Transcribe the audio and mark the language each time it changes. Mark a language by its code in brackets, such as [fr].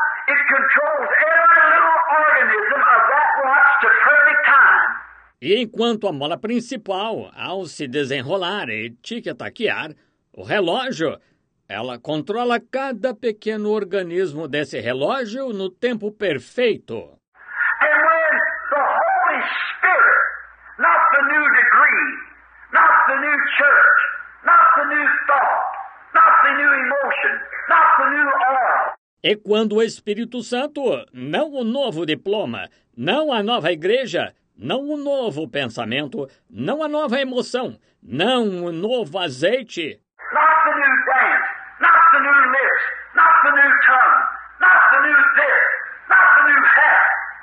[en] It controls every little organism of that watch to perfect time. [pt] E enquanto a mola principal, ao se desenrolar e tic-taquear, o relógio, ela controla cada pequeno organismo desse relógio no tempo perfeito. [en] And when the Holy Spirit, not the new degree, not the new church, not the new thought, not the new emotion, not the new aura. [pt] E quando o Espírito Santo, não o novo diploma, não a nova igreja, não o novo pensamento, não a nova emoção, não o novo azeite. [en] Not the new dance, not the new lips, not the new tongue, not the new this, not the new hat.